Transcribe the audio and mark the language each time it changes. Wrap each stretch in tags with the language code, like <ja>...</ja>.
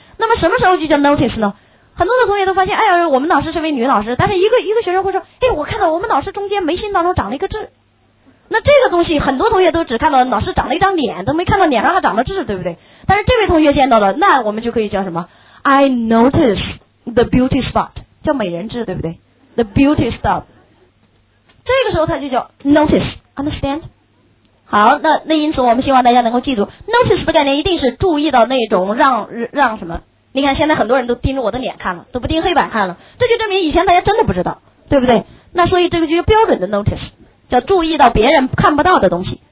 <zh>那么什么时候就叫 notice 呢？很多的同学都发现哎呀我们老师是位女老师，但是一个学生会说哎，我看到我们老师中间眉心当中长了一个痣，那这个东西很多同学都只看到老师长了一张脸，都没看到脸上还长了痣，对不对？但是这位同学见到了，那我们就可以叫什么？</zh> <en>I notice the beauty spot，</en> <zh>叫美人痣，对不对？</zh> <en>the beauty spot，</en> <zh>这个时候它就叫 notice，</zh> <en>understand？</en> <zh>好，那因此我们希望大家能够记住 notice 的概念，一定是注意到那种让什么。你看现在很多人都盯着我的脸看了，都不盯黑板看了，这就证明以前大家真的不知道，对不对？那所以这个就是标准的 notice， 叫注意到别人看不到的东西。</zh>